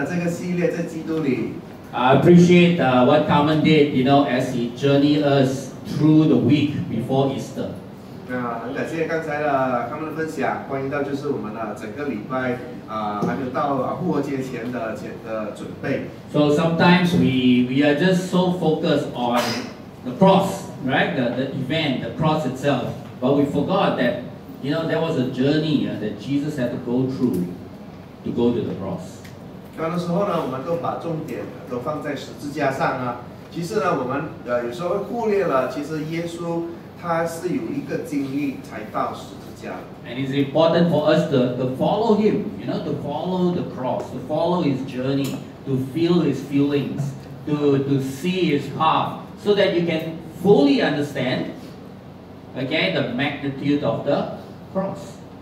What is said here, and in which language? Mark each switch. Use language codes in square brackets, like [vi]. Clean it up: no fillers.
[zh] 那么今天呢，我们再继续我们的这个系列，在基督里。I [en] appreciate what Carmen did, you know, as he journeyed us through the week before Easter. [zh] 那很感谢刚才的Carmen的分享，关于到就是我们的整个礼拜还没有到复活节前的准备。So [en] sometimes we are just so focused on the cross, right? The event, the cross itself, but we forgot that you know there was a journey that Jesus had to go through. To go to the cross. [zh] 有的时候呢，我们都把重点都放在十字架上啊。其实呢，我们有时候忽略了，其实耶稣他是有一个经历才到十字架。And [en] it's important for us to follow him, you know, to follow the cross, to follow his journey, to feel his feelings, to see his path, so that you can fully understand, okay, the magnitude of the cross.